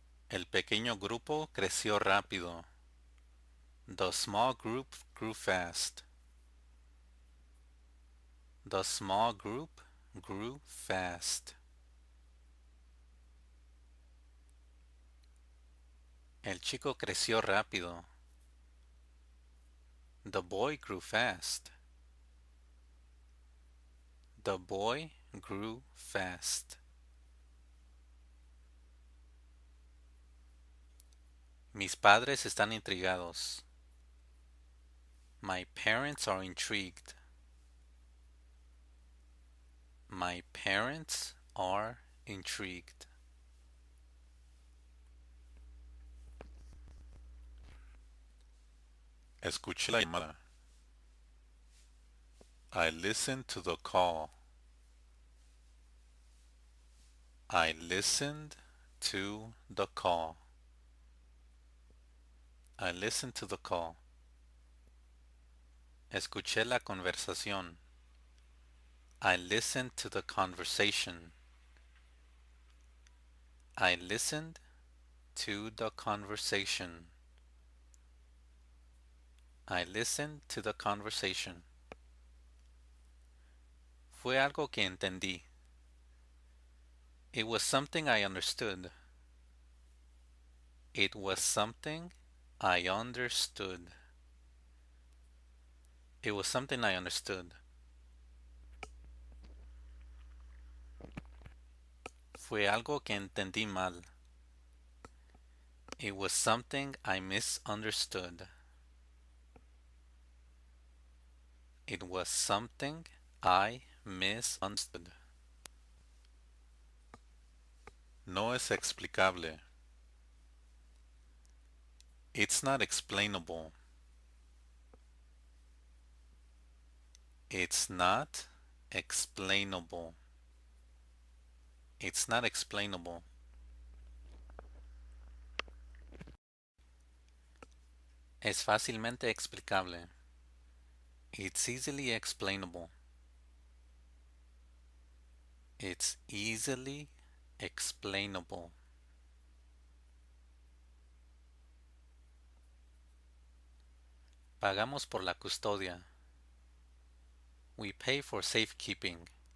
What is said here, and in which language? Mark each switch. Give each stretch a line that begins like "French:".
Spanish: El pequeño grupo creció rápido.
English: The small group grew fast. The small group grew fast.
Spanish: El chico creció rápido.
English: The boy grew fast. The boy grew fast.
Spanish: Mis padres están intrigados.
English: My parents are intrigued. My parents are intrigued.
Spanish: Escuché la llamada.
English: I listened to the call. I listened to the call. I listened to the call.
Spanish: Escuché la conversación.
English: I listened to the conversation. I listened to the conversation. I listened to the conversation.
Spanish: Fue algo que entendí.
English: It was something I understood. It was something I understood. It was something I understood.
Spanish: Fue algo que entendí mal.
English: It was something I misunderstood. It was something I misunderstood.
Spanish: No es explicable.
English: It's not explainable. It's not explainable. It's not explainable.
Spanish: Es fácilmente explicable.
English: It's easily explainable. It's easily explainable.
Spanish: Pagamos por la custodia.
English: We pay for safekeeping.